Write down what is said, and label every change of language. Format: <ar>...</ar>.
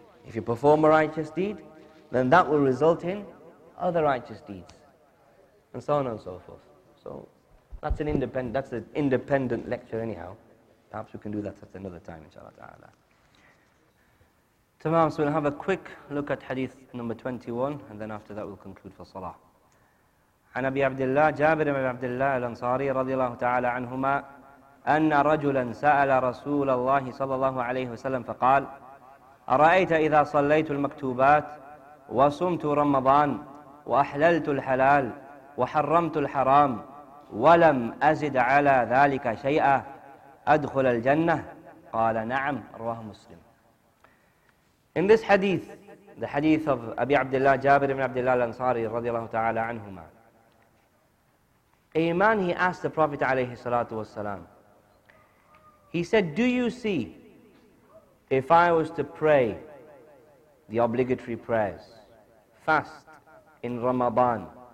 <en>If you perform a righteous deed, then that will result in other righteous deeds. And so on and so forth. So that's an independent lecture anyhow. Perhaps we can do that at another time, inshallah ta'ala. Tamam, so we'll have a quick look at hadith number 21, and then after that we'll conclude for salah.</en> <ar>An Abi Abdullah, Jabir ibn Abdullah al-Ansari radiallahu ta'ala anhuma, أن رجلا سأل رسول الله صلى الله عليه وسلم فقال أرأيت إذا صليت المكتوبات وصمت رمضان وأحللت الحلال وحرمت الحرام ولم أزد على ذلك شيئا أدخل الجنة قال نعم رواه مسلم.</ar> <en>In this hadith, the hadith of Abi Abdullah Jabir ibn Abdullah al-Ansari</en> <ar>رضي الله تعالى عنهما,</ar> <en>a man, he asked the Prophet</en> <ar>عليه الصلاة والسلام,</ar> <en>he said, do you see, if I was to pray the obligatory prayers, fast in Ramadan,</en>